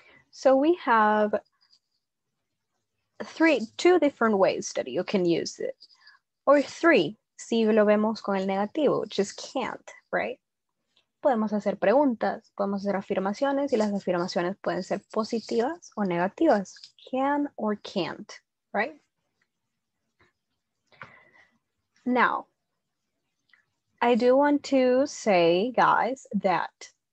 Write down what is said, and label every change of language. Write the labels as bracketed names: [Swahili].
[English] So we have two different ways that you can use it, or three, si lo vemos con el negativo, which is can't, right? [Spanish] Podemos hacer preguntas, podemos hacer afirmaciones, y las afirmaciones pueden ser positivas o negativas, can or can't, right? [English] Now, I do want to say, guys, that